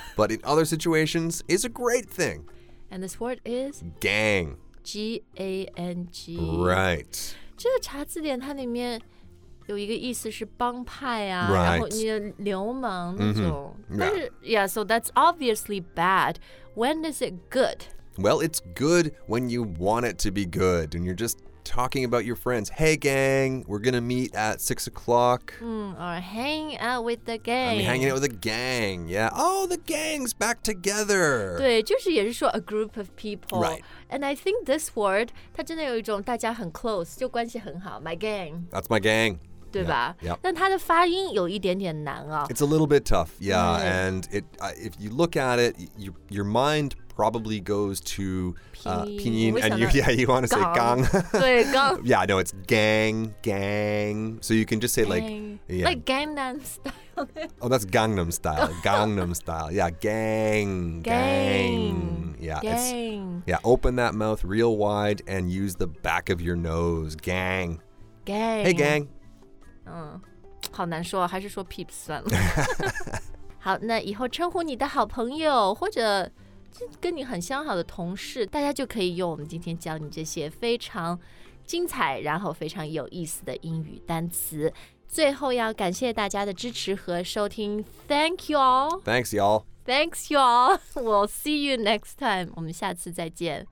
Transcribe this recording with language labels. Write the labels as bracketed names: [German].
[English] But in other situations, is a great thing. And this word is? Gang. G-A-N-G. Right. [Chinese] 这个查字典它里面有一个意思是帮派啊。 [English] Right. [Chinese] 然后你的流氓那种。 [English] Mm-hmm. Yeah. [Chinese] 但是, [English] yeah, so that's obviously bad. When is it good? Well, it's good when you want it to be good, and you're just talking about your friends. Hey, gang, we're going to meet at 6 o'clock. Or hang out with the gang. I mean, hanging out with the gang, yeah. Oh, the gang's back together. [Chinese] 对,就是也是说 [English] a group of people. Right. And I think this word, [Chinese] 它真的有一种大家很 close, 就关系很好, [English] my gang. That's my gang. [Chinese] 对吧? [English] Yeah. [Chinese] 但它的发音有一点点难哦。 [English] It's a little bit tough, yeah. Mm. And it, if you look at it, your mind... probably goes to pinyin, and you want to say gang. Yeah, no, it's gang. So you can just say like... Yeah. Like Gangnam style. Oh, that's Gangnam style. Gangnam style. Yeah, gang. Yeah, gang. Yeah, open that mouth real wide and use the back of your nose. Gang. Hey, gang. [Chinese] 好难说,还是说 peeps 算了。好,那以后称呼你的好朋友,或者跟你很相好的同事，大家就可以用我们今天教你这些非常精彩然后非常有意思的英语单词。最后要感谢大家的支持和收听。 [English] Thank you all. Thanks y'all. Thanks y'all. We'll see you next time. [Chinese] 我们下次再见。